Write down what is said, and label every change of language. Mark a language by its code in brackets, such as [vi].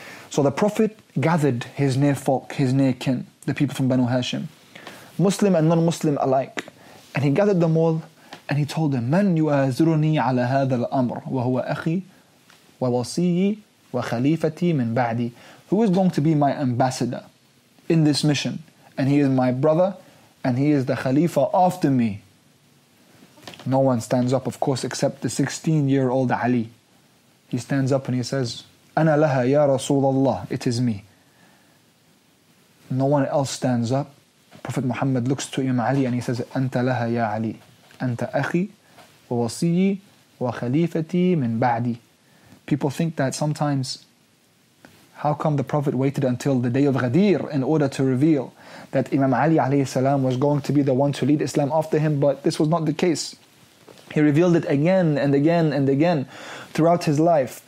[en] So the Prophet gathered his near folk, his near kin, the people from Banu Hashim, Muslim and non-Muslim alike, and he gathered them all and he told them, [ar] مَنْ يُؤَذِرُنِي عَلَى هَذَا الْأَمْرِ وَهُوَ أَخِي وَوَصِيِّي وَخَلِيفَتِي مِنْ بَعْدِي, [en] who is going to be my ambassador in this mission, and he is my brother and he is the Khalifa after me. No one stands up, of course, except the 16-year-old Ali. He stands up and he says, [ar] أَنَا لَهَا يَا رَسُولَ اللَّهِ, [en] it is me. No one else stands up. Prophet Muhammad looks to Imam Ali and he says, [ar] أَنْتَ لَهَا يَا عَلِي, أَنْتَ أَخِي وَوَصِيِّي وَخَلِيفَتِي مِنْ بَعْدِي. [en] People think that sometimes, how come the Prophet waited until the day of Ghadir in order to reveal that Imam Ali alayhi salam was going to be the one to lead Islam after him? But this was not the case. He revealed it again and again and again throughout his life.